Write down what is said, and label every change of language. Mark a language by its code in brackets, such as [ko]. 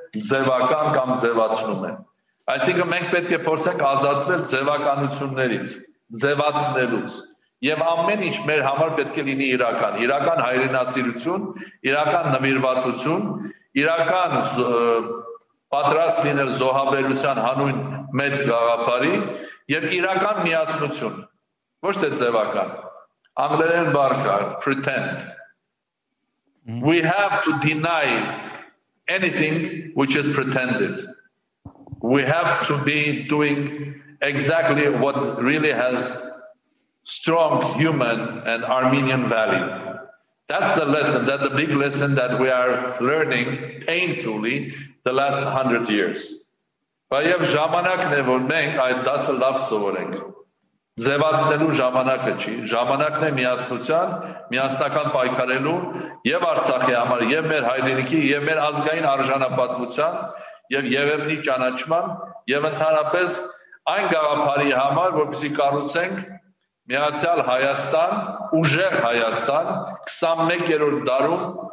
[hy] ձևական կամ ձևացնում են։ Այսինքն մենք պետք է փորձենք ազատվել ձևականություններից, ձևացնելուց, եւ ամեն ինչ մեր համար պետք է լինի իրական, իրական հայրենասիրություն, իրական նվիրվածություն, իրական պատրաստ լինել զոհաբերության հանուն մեծ գաղափարի եւ իրական միասնություն, ոչ թե ձևական։ Անգլերեն բառը pretend. [en] We have to deny anything which is pretended. We have to be doing exactly what really has strong human and Armenian value. That's the lesson, that's the big lesson that we are learning painfully the last 100 years. [hy] Բայց ժամանակն է, որ մենք այդ դասը լավ սովորենք։ Ձևացնելու ժամանակը չի, ժամանակն է միասնության, միասնական պայքարելու եւ Արցախի համար, եւ մեր հայրենիքի, եւ մեր ազգային արժանապատվության եւ Երևանի ճանաչման եւ ընդհանրապես այն գաղափարի համար, որպեսզի կառուցենք միացյալ Հայաստան, ուժեղ Հայաստան 21-րդ դարում